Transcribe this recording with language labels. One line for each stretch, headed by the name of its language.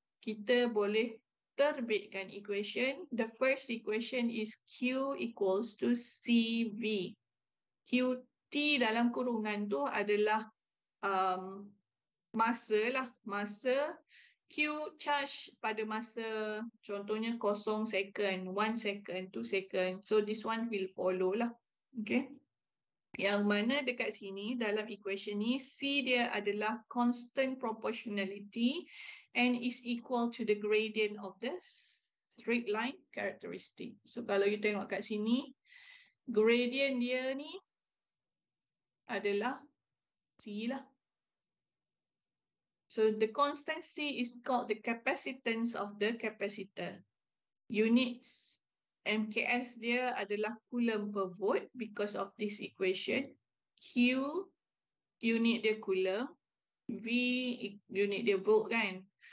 Malay: Kita boleh terbitkan equation.
English: The first equation is Q equals to CV.
Malay: QT dalam kurungan tu adalah masa lah. Masa Q charge pada masa contohnya 0 second, 1 second, 2 second.
English: So this one will follow lah. Okay.
Malay: Yang mana dekat sini dalam equation ni C dia adalah
English: constant proportionality and is equal to the gradient of this straight line characteristic.
Malay: So kalau you tengok kat sini, gradient dia ni adalah C lah.
English: So the constant C is called the capacitance of the capacitor.
Malay: Units MKS dia adalah coulomb per volt
English: because of this equation.
Malay: Q unit dia coulomb, V unit dia volt kan.